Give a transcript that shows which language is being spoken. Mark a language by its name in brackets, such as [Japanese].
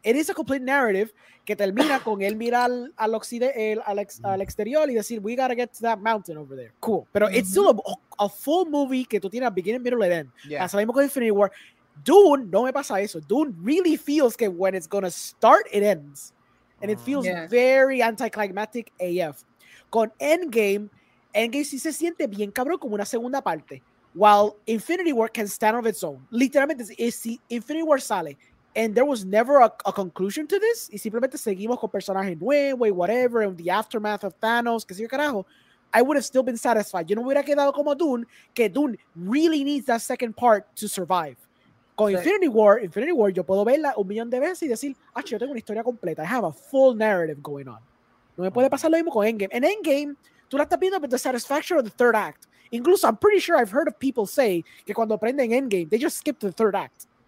[English] It is a complete narrative [Spanish] que termina con él mirar al exterior y decir, [English] we gotta get to that mountain over there. Cool. [Spanish] Pero [English] it's still a full movie [Spanish] que tú tienes [English] a beginning, middle, and end. Yeah. [Spanish] Pasa lo mismo con Infinity War. Dune, no me pasa eso. [English] Dune really feels [Spanish] que [English] when it's gonna start, it ends. And it feels very anticlimactic AF. [Spanish] Con Endgame sí se siente bien cabrón como una segunda parte. [English] While Infinity War can stand on its own. [Spanish] Literalmente, si Infinity War sale, [English] and there was never a conclusion to this, [Spanish] y simplemente seguimos con personajes nuevos, [English] whatever, and the aftermath of Thanos, [Spanish] que si yo carajo, [English] I would have still been satisfied. [Spanish] Yo no hubiera quedado como Dune, que Dune [English] really needs that second part to survive. [Spanish] Con Infinity War, yo puedo verla un millón de veces y decir, ah, yo tengo una historia completa. [English] I have a full narrative going on. [Spanish] No me puede pasar lo mismo con Endgame. En Endgame, tú la estás viendo [English] with the satisfaction of the third act. [Spanish] Incluso, [English] I'm pretty sure I've heard of people say [Spanish] que cuando aprenden Endgame, [English] they just skip to the third act.